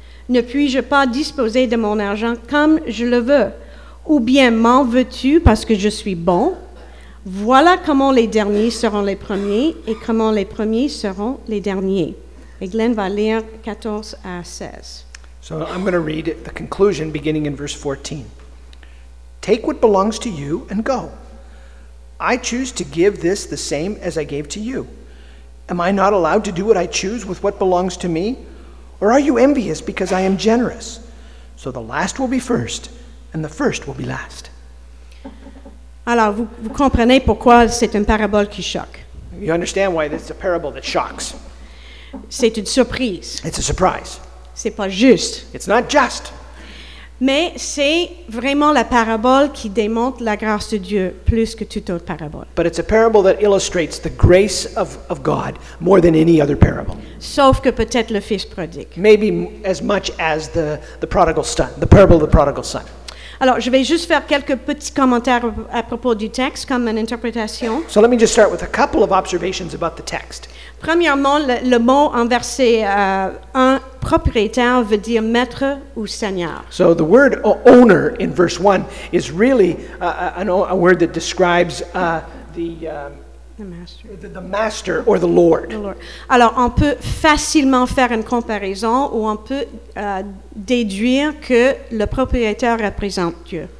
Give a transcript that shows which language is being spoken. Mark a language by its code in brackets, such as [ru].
[fr] Ne puis-je pas disposer de mon argent comme je le veux? Ou bien m'en veux-tu parce que je suis bon? Voilà comment les derniers seront les premiers et comment les premiers seront les derniers. » Et Glenn va lire 14 à 16. [en] So I'm going to read the conclusion beginning in verse 14. Take what belongs to you and go. I choose to give this the same as I gave to you. Am I not allowed to do what I choose with what belongs to me? Or are you envious because I am generous? So the last will be first, and the first will be last. [fr] Alors, vous comprenez pourquoi c'est une parabole qui choque. [en] You understand why this is a parable that shocks. [fr] C'est une surprise. [en] It's a surprise. [fr] C'est pas juste. [en] It's not just. [fr] Mais c'est vraiment la parabole qui démontre la grâce de Dieu plus que toute autre parabole. [en] But it's a parable that illustrates the grace of God more than any other parable. [fr] Sauf que peut-être le fils prodigue. [en] Maybe as much as the prodigal son, the parable of the prodigal son. [fr] Alors, je vais juste faire quelques petits commentaires à propos du texte comme une interprétation. [en] So let me just start with a couple of observations about the text. [fr] Premièrement, le mot en verset 1, propriétaire, veut dire maître ou seigneur. [en] So the word owner in verse 1 is really a word that describes the master or the Lord. [fr] Alors, on peut facilement faire une comparaison ou on peut déduire que le propriétaire représente Dieu.